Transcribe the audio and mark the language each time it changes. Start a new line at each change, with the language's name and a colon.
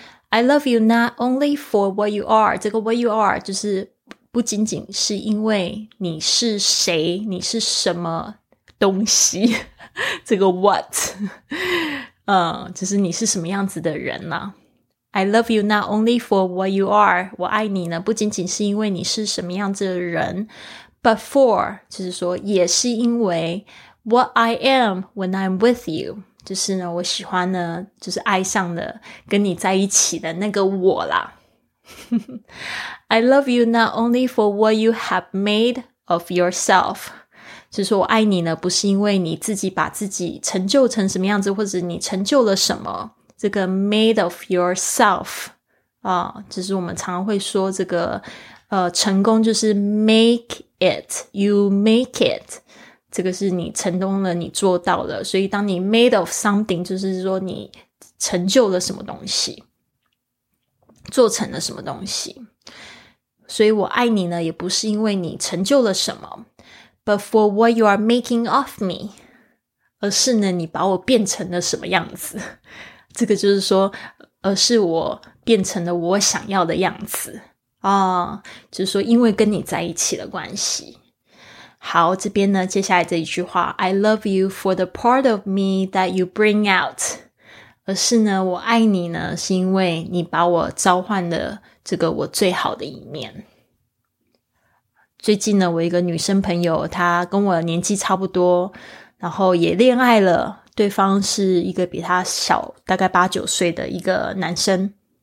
Chinese: I love you not only for what you are，这个 what you are 就是不仅仅是因为你是谁，你是什么东西，这个 what， 就是你是什么样子的人啦。 I love you not only for what you are，我爱你呢不仅仅是因为你是什么样子的人， but for 就是说也是因为
English: What I am when I'm with you.
Chinese: 就是呢，我喜欢呢，就是爱上了跟你在一起的那个我啦。
English: I love you not only for what you have made of yourself.
Chinese: 就是我爱你呢，不是因为你自己把自己成就成什么样子，或者你成就了什么。这个 made of yourself 啊，就是我们常常会说这个成功就是 make it, you make it。这个是你成功了，你做到了，所以当你 made of something 就是说你成就了什么东西，做成了什么东西。所以我爱你呢，也不是因为你成就了什么， but for what you are making of me, 而是呢你把我变成了什么样子。这个就是说，而是我变成了我想要的样子啊，就是说因为跟你在一起的关系。
English: 好，这边呢，接下来这一句话 I love you for the part of me that you bring out.
Chinese: 而是呢，我爱你呢，是因为你把我召唤的这个我最好的一面。最近呢，我一个女生朋友，她跟我年纪差不多，然后也恋爱了，对方是一个比她小大概八九岁的一个男生。